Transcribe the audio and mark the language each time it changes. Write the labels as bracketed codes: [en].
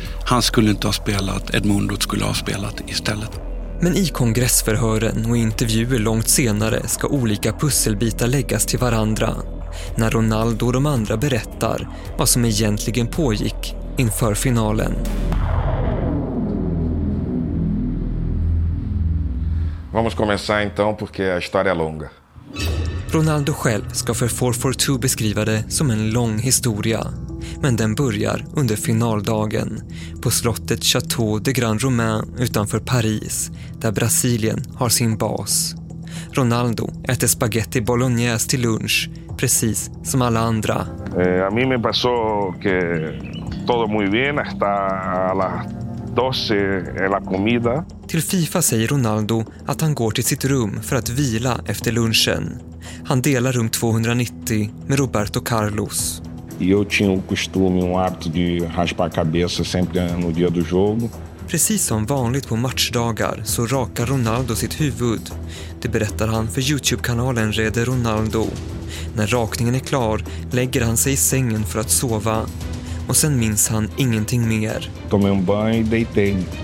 [sv] Han skulle inte ha spelat, Edmundo skulle ha spelat istället. Men i kongressförhören och intervjuer långt senare ska olika pusselbitar läggas till varandra. När Ronaldo och de andra berättar vad som egentligen pågick inför finalen. [pt] Vamos começar então, porque a história é longa. [sv] Ronaldo själv ska för 442 beskriva det som en lång historia. Men den börjar under finaldagen på slottet Château de Grand Romain utanför Paris, där Brasilien har sin bas. Ronaldo äter spaghetti bolognese till lunch, precis som alla andra. [es] A mí me pasó que todo muy bien hasta las 12 en la comida. [sv] Till FIFA säger Ronaldo att han går till sitt rum för att vila efter lunchen. Han delar rum 290 med Roberto Carlos. [pt] Eu tinha um costume, um hábito de raspar a cabeça sempre no dia do jogo. [sv] Precis som vanligt på matchdagar så rakar Ronaldo sitt huvud. Det berättar han för YouTube-kanalen Rede Ronaldo. När rakningen är klar lägger han sig i sängen för att sova. Och sen minns han ingenting mer. [pt] Tomei um banho e deitei.